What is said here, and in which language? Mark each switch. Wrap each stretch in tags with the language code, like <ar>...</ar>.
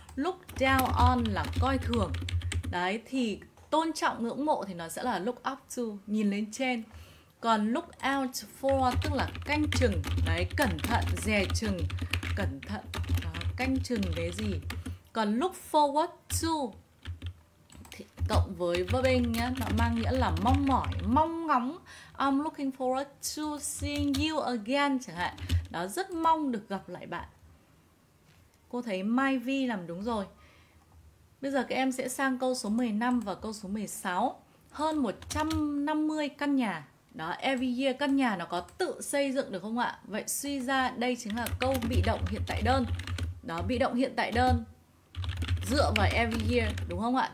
<vi>Look down on là coi thường. Đấy thì tôn trọng ngưỡng mộ thì nó sẽ là look up to, nhìn lên trên. Còn look out for tức là canh chừng, đấy cẩn thận, dè chừng, cẩn thận, đó, canh chừng cái gì. Còn look forward to thì cộng với verb in nhá, nó mang nghĩa là mong mỏi, mong ngóng.</vi> <en>I'm looking forward to seeing you again</en> <vi>chẳng hạn. Đó, rất mong được gặp lại bạn. Cô thấy Mai Vi làm đúng rồi. Bây giờ các em sẽ sang câu số 15 và câu số 16. Hơn 150 căn nhà. Đó,</vi> <en>every year</en> <vi>căn nhà nó có tự xây dựng được không ạ? Vậy suy ra đây chính là câu bị động hiện tại đơn. Đó, bị động hiện tại đơn dựa vào every year đúng không ạ?</vi>